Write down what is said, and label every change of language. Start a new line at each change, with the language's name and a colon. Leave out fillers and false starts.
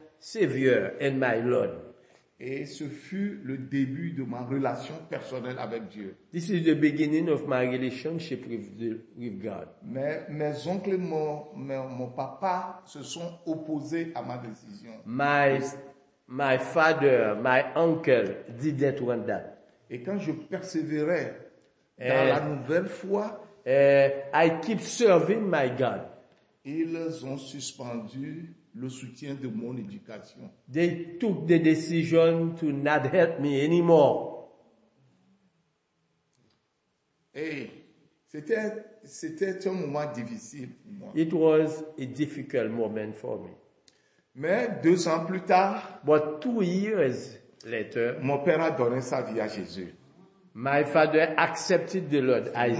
English: I believe in the Lord. I accepted the Lord as my Savior and my Lord.
French: Et ce fut le début de ma relation personnelle avec Dieu.
English: This is the beginning of my relationship with God.
French: Mais mes oncles, mon papa se sont opposés à ma décision.
English: My father, my uncle didn't want that.
French: Et quand je persévérais dans la nouvelle foi,
English: I keep serving my God.
French: Ils ont suspendu le soutien de mon éducation.
English: They took the decision to not help me anymore.
French: Et c'était un moment difficile pour moi.
English: It was a difficult moment for me.
French: Mais 2 ans plus tard,
English: but 2 years letter.
French: Mon père a donné sa vie à Jésus.
English: My father accepted the Lord as his savior.